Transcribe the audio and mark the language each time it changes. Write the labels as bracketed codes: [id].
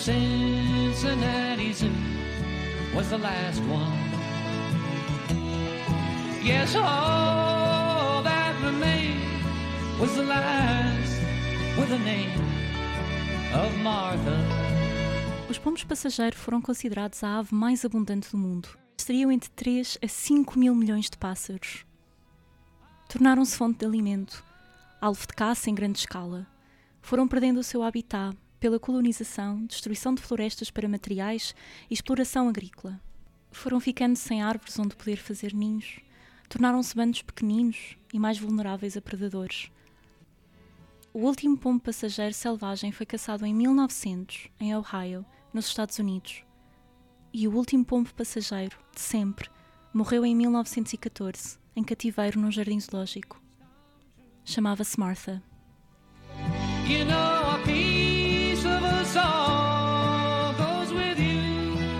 [en] Cincinnati Zoo was the last one. Yes, all that remained was the last with the name of Martha. [pt] Os pombos passageiro foram considerados a ave mais abundante do mundo. Seriam entre 3 a 5 mil milhões de pássaros. Tornaram-se fonte de alimento, alvo de caça em grande escala. Foram perdendo o seu habitat pela colonização, destruição de florestas para materiais e exploração agrícola. Foram ficando sem árvores onde poder fazer ninhos. Tornaram-se bandos pequeninos e mais vulneráveis a predadores. O último pombo passageiro selvagem foi caçado em 1900, em Ohio, nos Estados Unidos. E o último pombo passageiro, de sempre, morreu em 1914, em cativeiro num jardim zoológico. Chamava-se Martha. [en] You know, a piece of a song goes with you.